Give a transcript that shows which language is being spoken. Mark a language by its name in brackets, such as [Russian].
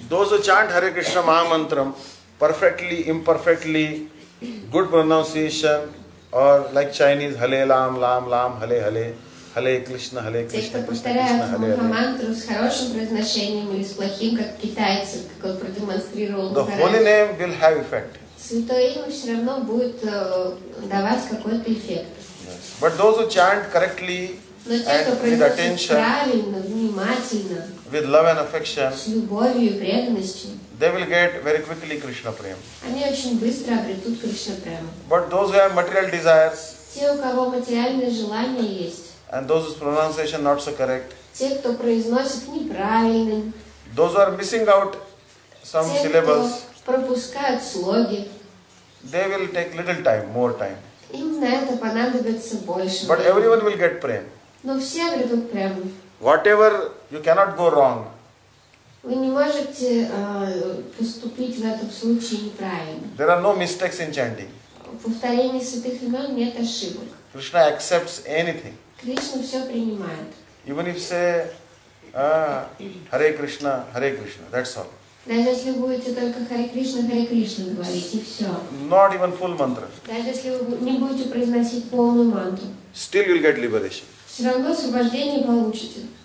[English] Those who chant Hare Krishna Mahamantram perfectly, imperfectly, good pronunciation, or like Chinese, Hale Lam Lam Lam, Hale Hale, [Sanskrit] Hare Кришна, Hare Кришна. [Russian] Те, кто повторяют Махамантру с хорошим произношением или с плохим, как китайцы, как он продемонстрировал. [English] The holy name will have effect. [Russian] Святое имя все равно будет давать какой-то эффект. [English] Yes. But those who chant correctly and with attention, [Russian] правильно, внимательно, [English] with love and affection, [Russian] с любовью и преданностью, [English] they will get very quickly Krishna prema. [Russian] Они очень быстро обретут Кришна прему. [English] But those who have material desires, [Russian] те, у кого материальные желания есть, [English] and those whose pronunciation not so correct, [Russian] те, кто произносит неправильно, [English] those who are missing out some [Russian] те, [English] syllables, [Russian] кто пропускают слоги, [English] they will take little time, more time. [Russian] Им на это понадобится больше. [English] But everyone will get prema. [Russian] Но все обретут прему. [English] Whatever you cannot go wrong. [Russian] Вы не можете поступить в этом случае неправильно. [English] There are no mistakes in chanting. [Russian] В повторении святых имен нет ошибок. [English] Krishna accepts anything. [Russian] Кришна все принимает. [English] Even if say Hare Krishna, Hare Krishna, that's all. [Russian] Даже если вы будете только Харе Кришна говорить, и все. [English] Not even full mantra. [Russian] Даже если вы не будете произносить полную мантру. [English] Still you'll get liberation. [Russian] Все равно освобождение получите.